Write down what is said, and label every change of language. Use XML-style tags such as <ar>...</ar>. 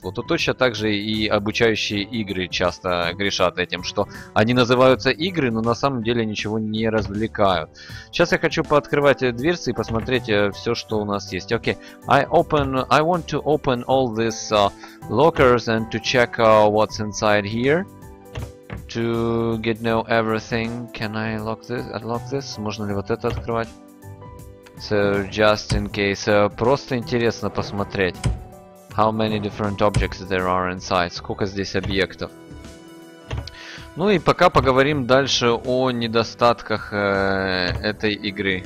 <ru>Вот точно так же и обучающие игры часто грешат этим, что они называются игры, но на самом деле ничего не развлекают. Сейчас я хочу пооткрывать дверцы и посмотреть все, что у нас есть.</ru> <en>Окей, okay. I want to open all these lockers and to check what's inside here. To get to know everything, can I unlock this?</en> <ru>Можно ли вот это открывать?</ru> <en>So, just in case,</en> <ru>просто интересно посмотреть,</ru> <en>how many different objects there are inside,</en> <ru>сколько здесь объектов. Ну и пока поговорим дальше о недостатках этой игры.</ru>